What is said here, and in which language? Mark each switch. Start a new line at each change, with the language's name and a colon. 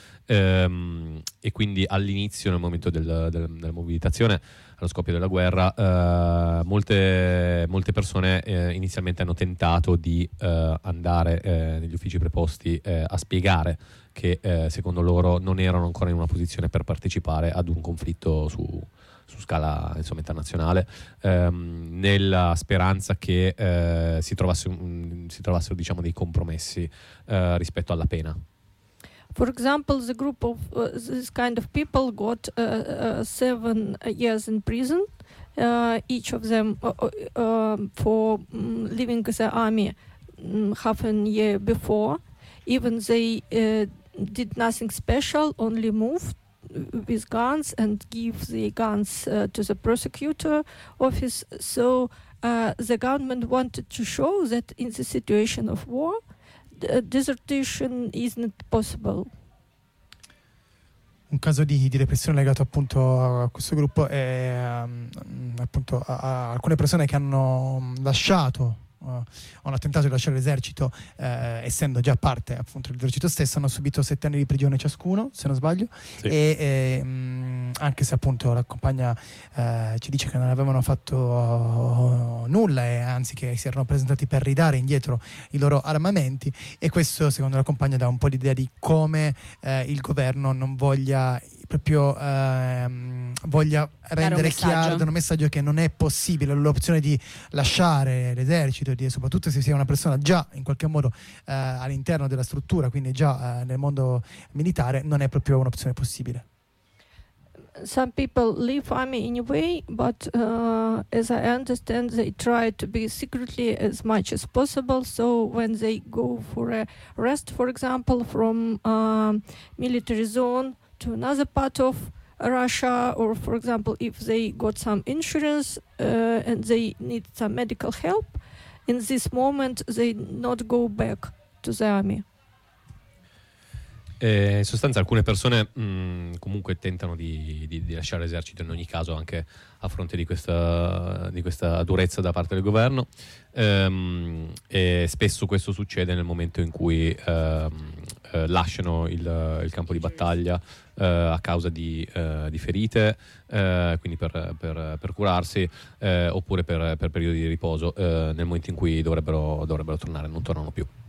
Italian: e quindi all'inizio, nel momento della mobilitazione, allo scoppio della guerra, molte persone inizialmente hanno tentato di andare negli uffici preposti a spiegare che secondo loro non erano ancora in una posizione per partecipare ad un conflitto su scala, insomma, internazionale, nella speranza che si trovassero diciamo dei compromessi rispetto alla pena.
English: For example, the group of this kind of people got 7 years in prison, each of them for leaving the army half a year before. Even they did nothing special, only moved with guns and give the guns to the prosecutor office. So the government wanted to show that in the situation of war, desertion is not possible.
Italian: Un caso di repressione legato appunto a questo gruppo è appunto a alcune persone che hanno lasciato, hanno tentato di lasciare l'esercito, essendo già parte appunto dell'esercito stesso, hanno subito 7 anni di prigione ciascuno, se non sbaglio, sì. E anche se appunto la compagna ci dice che non avevano fatto nulla, e anzi che si erano presentati per ridare indietro i loro armamenti, e questo secondo la compagna dà un po' l'idea di come il governo non voglia proprio voglia rendere chiaro, dare un messaggio che non è possibile l'opzione di lasciare l'esercito, di, soprattutto se si è una persona già in qualche modo all'interno della struttura, quindi già nel mondo militare, non è proprio un'opzione possibile.
English: Some people leave army anyway, but as I understand, they try to be secretly as much as possible. So when they go for a rest, for example, from military zone to another part of Russia, or for example, if they got some insurance and they need some medical help, in this moment they not go back to the army.
Italian: In sostanza alcune persone comunque tentano di lasciare l'esercito in ogni caso, anche a fronte di questa durezza da parte del governo, e spesso questo succede nel momento in cui lasciano il campo di battaglia a causa di ferite, quindi per curarsi, oppure per periodi di riposo, nel momento in cui dovrebbero tornare, non tornano più.